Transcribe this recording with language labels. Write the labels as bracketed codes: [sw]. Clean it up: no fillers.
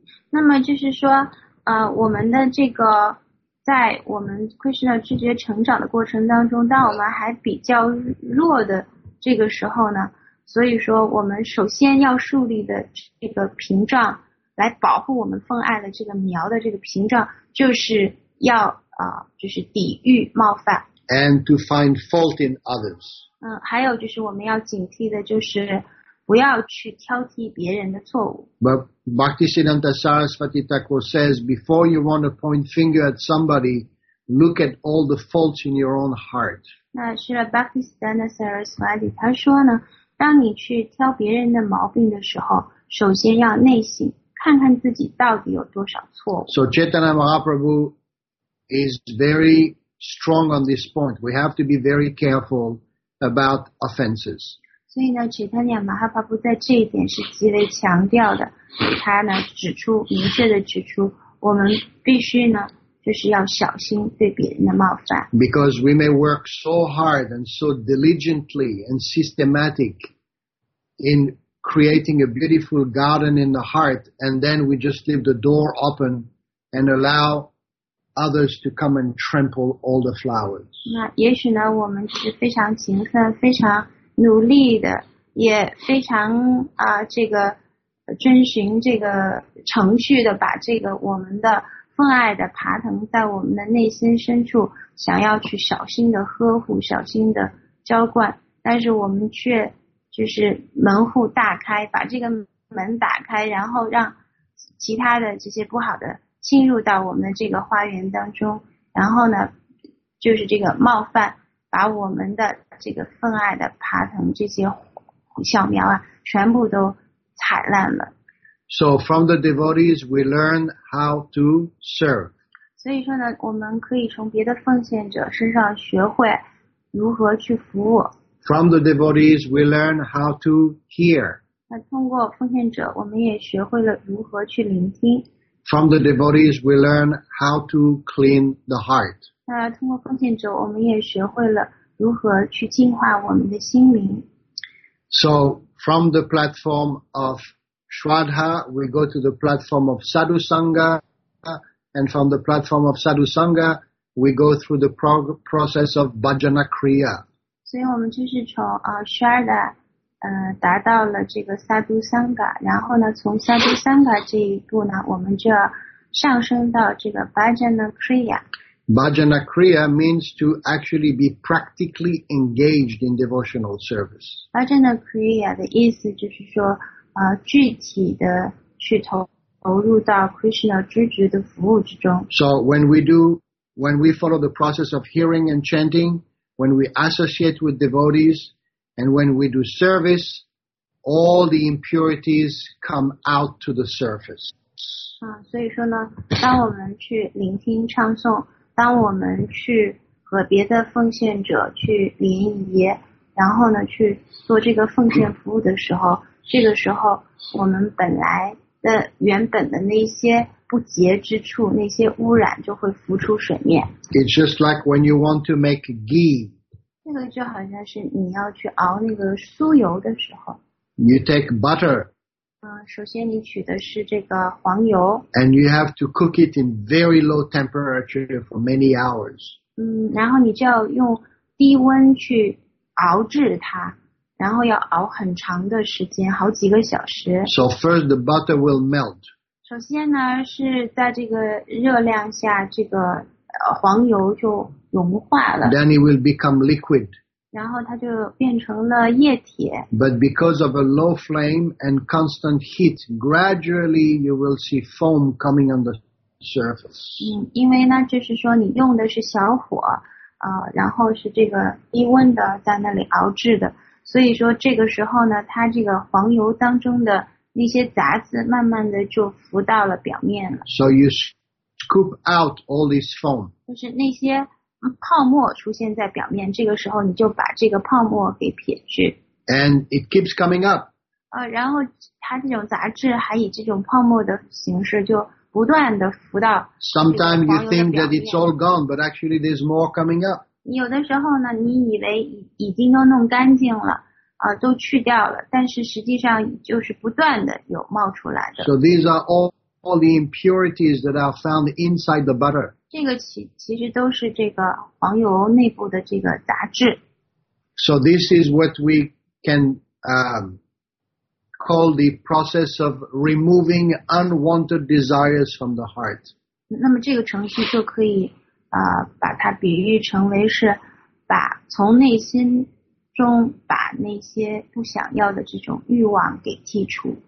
[zh] 那么就是说我们的这个在我们 Krishna 拒绝成长的过程当中，当我们还比较弱的这个时候呢，所以说我们首先要树立的这个屏障来保护我们奉爱的这个苗的这个屏障，就是要就是抵御冒犯。 [en] And to find fault in others. [zh] 还有就是我们要警惕的就是不要去挑剔别人的错误。 [en] But Bhaktisiddhanta Sarasvati Thakur says, before you want to point finger at somebody, look at all the faults in your own heart. [zh] 那是 Bhaktisiddhanta Sarasvati, 他说呢，当你去挑别人的毛病的时候，首先要内省，看看自己到底有多少错误。 [en] So Chaitanya Mahaprabhu is very... strong on this point. We have to be very careful about offenses. [zh] 所以呢 Chaitanya Mahaprabhu 在这一点是极为强调的，他呢指出，明确的指出，我们必须呢就是要小心对别人的冒犯。 [en] Because we may work so hard and so diligently and systematic in creating a beautiful garden in the heart, and then we just leave the door open and allowothers to come and trample all the flowers. [zh] 那也许呢我们是非常勤奋非常努力的，也非常这个遵循这个程序的，把这个我们的奉爱的爬藤在我们的内心深处想要去小心的呵护，小心的浇灌，但是我们却就是门户大开，把这个门打开，然后让其他的这些不好的进入到我们的这个花园当中，然后呢就是这个冒犯把我们的这个分爱的爬藤这些小苗啊全部都踩烂了。 [en] So from the devotees, we learn how to serve. [zh] 所以说呢我们可以从别的奉献者身上学会如何去服务。 [en] From the devotees, we learn how to hear. [zh] 那通过奉献者我们也学会了如何去聆听。 [en] From the devotees, we learn how to clean the heart. [zh] 通过奉献者，我们也学会了如何去净化我们的心灵。 [en] So, from the platform of Shraddha, we go to the platform of Sadhu Sangha, and from the platform of Sadhu Sangha, we go through the process of Bhajana Kriya. [zh] 所以我们就是从Shraddha, 达到了这个 Sadhu Sangha, 然后呢，从 Sadhu Sangha 这一步呢，我们就要上升到这个 Bhajana Kriya。 [en] Bhajana Kriya means to actually be practically engaged in devotional service. [zh] Bhajana Kriya 的意思就是说，具体的去投入到 Krishna 直觉的服务之中。 [en] So when we follow the process of hearing and chanting, when we associate with devotees, and when we do service, all the impurities come out to the surface. [zh] 所以说呢，当我们去聆听唱诵。当我们去和别的奉献者去联谊，然后呢去做这个奉献服务的时候，这个时候我们本来的原本的那些不洁之处，那些污染就会浮出水面。 [en] It's just like when you want to make ghee. [zh] 那个就好像是你要去熬那个酥油的时候。 [en] You take butter. [zh] 首先你取的是这个黄油。 [en] And you have to cook it in very low temperature for many hours. [zh] 然后你就要用低温去熬制它，然后要熬很长的时间，好几个小时。 [en] So first the butter will melt. [zh] 首先呢是在这个热量下，这个黄油就融化了。 [en] Then it will become liquid. [zh] 然后它就变成了液体。 [en] But because of a low flame and constant heat, gradually you will see foam coming on the surface. [zh] 因为呢，就是说你用的是小火，然后是这个低温的在那里熬制的，所以说这个时候呢，它这个黄油当中的那些杂质慢慢的就浮到了表面了。 [en] So you scoop out all this foam. [zh] 就是那些。泡沫出现在表面，这个时候你就把这个泡沫给撇去。 [en] And it keeps coming up. [zh] 然后它这种杂质还以这种泡沫的形式就不断的浮到。 [en] Sometimes you think that it's all gone, but actually there's more coming up. [zh] 有的时候呢，你以为已经都弄干净了，都去掉了，但是实际上就是不断的有冒出来的。 [en] So these are all the impurities that are found inside the butter. [zh] 这个其实都是这个黄油内部的这个杂质。 [en] So this is what we can call the process of removing unwanted desires from the heart. [zh] 那么这个程序就可以把它比喻成为是把从内心中把那些不想要的这种欲望给剔除。